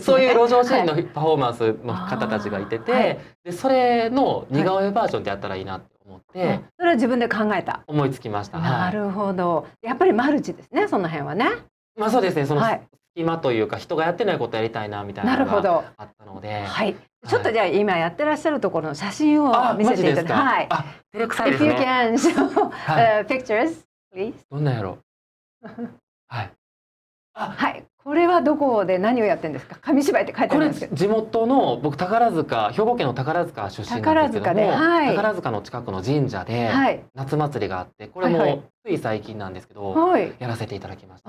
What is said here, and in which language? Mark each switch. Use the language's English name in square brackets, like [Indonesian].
[Japanese] そういう路上詩人のパフォーマンスの方たちがいてて、はい、でそれの似顔絵バージョンでやったらいいなって思って、はい、それは自分で考えた、思いつきました。なるほど、やっぱりマルチですね、その辺はね。まあそうですね、その、はい、今というか人がやってないことやりたいなみたいなのがあったので、はい、はい、ちょっとじゃあ今やってらっしゃるところの写真を見せていただきます。はい、 [English] If you can show pictures, please. [Japanese] どんなやろ。はい。あ、はい。これはどこで何をやってんですか。紙芝居って書いてあるんですけど。これ地元の僕宝塚、兵庫県の宝塚出身なんですけども、宝塚で、はい、宝塚の近くの神社で夏祭りがあって、これもつい最近なんですけど、はいはい、やらせていただきました。